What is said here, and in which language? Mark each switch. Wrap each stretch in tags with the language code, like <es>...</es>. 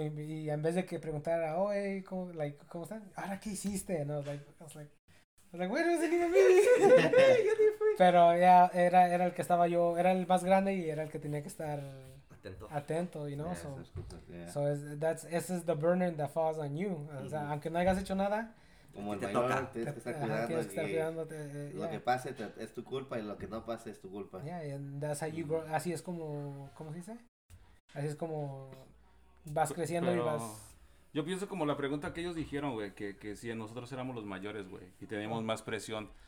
<es>Y en vez de que preguntara, oh, hey, ¿cómo están? ¿Ahora qué hiciste?</es> <en>No, I was like, where is it?</en> <es>Pero ya era el que estaba yo, era el más grande y era el que tenía que estar atento,</es> <en>you know. So, this is the burden that falls on you.</en> <es>Mm-hmm. O sea, aunque no hayas hecho nada, como el mayor, tienes que estar cuidándote. Lo que pase es tu culpa y lo que no pase es tu culpa.</es> <en>Yeah, and that's how you grow.</en> <es>Así es como, ¿cómo se dice? Así es como vas creciendo. Pero... y vas. Yo pienso como la pregunta que ellos dijeron, güey, que si nosotros éramos los mayores, güey, y teníamos más presión.</es>